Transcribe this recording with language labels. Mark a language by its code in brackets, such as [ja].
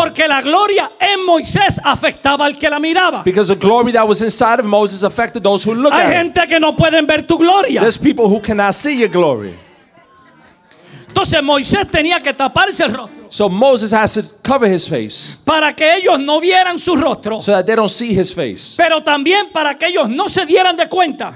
[es] Porque la gloria en Moisés afectaba al que la miraba. [en] Because the glory that was inside of Moses affected those who looked at him. [es] Hay gente que no pueden ver tu gloria. [en] There's people who cannot see your glory. [es] Entonces Moisés tenía que taparse el rostro. [en] So Moses has to cover his face. [es] Para que ellos no vieran su rostro. [en] So that they don't see his face. [es] Pero también para que ellos no se dieran de cuenta.